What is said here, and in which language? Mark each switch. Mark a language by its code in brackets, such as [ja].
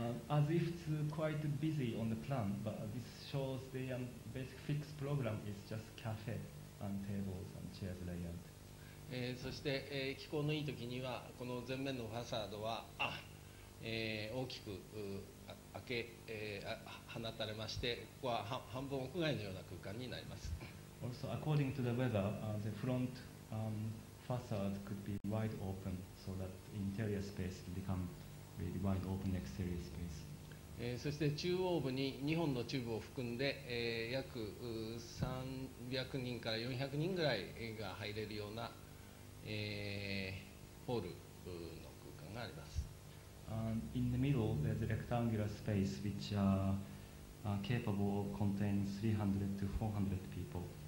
[en] As if it's quite busy on the plan, but this shows the basic fixed program is just cafe and tables and chairs layout. [ja] そして、気候のいい時にはこの前面のファサードは大きく開け、放たれまして、ここは半分屋外のような空間になります。 [en] Also, according to the weather, the front facade could be wide open, so that interior space become really wide open exterior space. [ja] そして中央部に2本のチューブを含んで、約300人から400人ぐらいが入れるような、ホールの空間があります。 [en] In the middle, there's a rectangular space which are capable of containing 300 to 400 people.